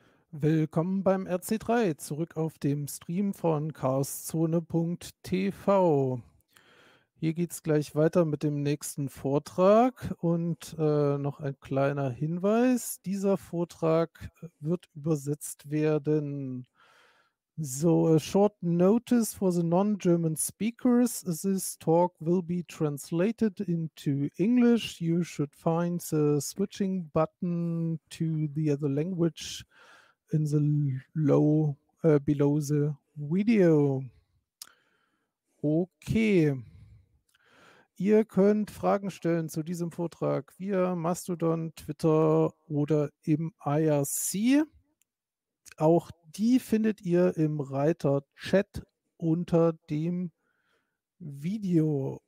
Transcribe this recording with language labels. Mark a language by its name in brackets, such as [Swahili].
[German] Willkommen beim RC3, zurück auf dem Stream von chaoszone.tv. Hier geht's gleich weiter mit dem nächsten Vortrag und noch ein kleiner Hinweis. Dieser Vortrag wird übersetzt werden. [English] So, a short notice for the non-German speakers. This talk will be translated into English. You should find the switching button to the other language in the below the video. Okay. [German] Ihr könnt Fragen stellen zu diesem Vortrag via Mastodon, Twitter oder im IRC. Auch die findet ihr im Reiter Chat unter dem Video.